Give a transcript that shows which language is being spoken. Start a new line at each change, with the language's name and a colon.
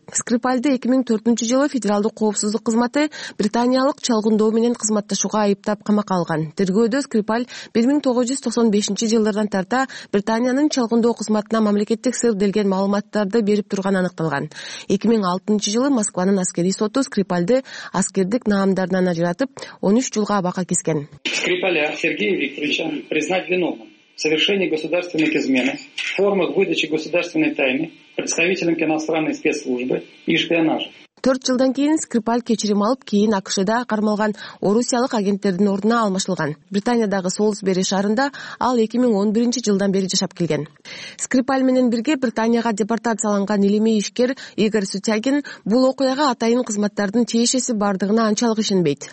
Kyrgyz: Скрипальды 2004-жылы Федералдык коопсуздук кызматы британиялык чалгындоо менен кызматташууга айыптап камакка алган. Тергөөдө Скрипаль 1995-жылдардан тарта Британиянын чалгындоо кызматына мамлекеттик сыр делген маалыматтарды берип турган аныкталган. 2006-жылы Москванын аскерий соту Скрипальды аскердик наамдарынан ажыратып, 13 жылга абакка кескен.
Russian: Скрипаля Сергея Викторовича признать виновным в совершении государственной измены, формах выдачи государственной тайны представителям иностранной спецслужбы и шпионажа.
Kyrgyz: 4 жылдан кийин Скрипаль кечирим алып, кийин АКШ-да кармалган орусиялык агенттердин ордуна алмашылган. Британиядагы Солсбери шаарында ал 2011-жылдан бери жашап келген. Скрипаль менен бирге Британияга депортацияланган илимий ишкер Игорь Сутягин бул окуяга атайын кызматтардын тиешеси бардыгына анчалык ишенбейт.